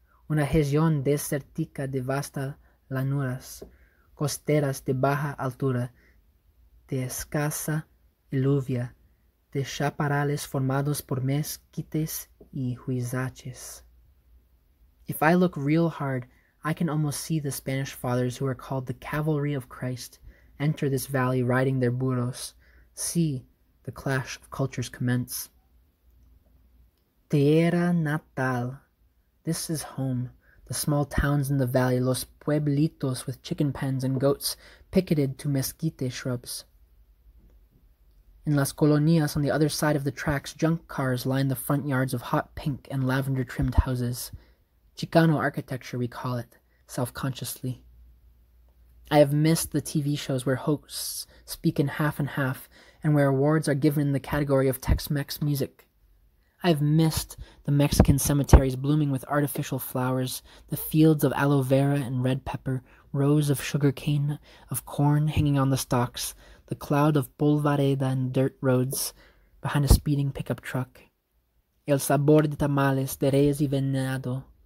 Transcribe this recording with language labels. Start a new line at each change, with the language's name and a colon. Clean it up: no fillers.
Spanish: Una región desértica de vastas llanuras, costeras de baja altura, de escasa lluvia, de chaparrales formados por mezquites y huizaches.
English: If I look real hard, I can almost see the Spanish fathers who are called the Cavalry of Christ enter this valley riding their burros, see the clash of cultures commence.
Spanish: Tierra natal.
English: This is home, the small towns in the valley, los pueblitos with chicken pens and goats picketed to mezquite shrubs. In las colonias, on the other side of the tracks, junk cars line the front yards of hot pink and lavender-trimmed houses. Chicano architecture, we call it, self-consciously. I have missed the TV shows where hosts speak in half and half, and where awards are given in the category of Tex-Mex music. I have missed the Mexican cemeteries blooming with artificial flowers, the fields of aloe vera and red pepper, rows of sugar cane, of corn hanging on the stalks, the cloud of polvareda and dirt roads behind a speeding pickup truck.
Spanish: El sabor de tamales, de reyes y venado.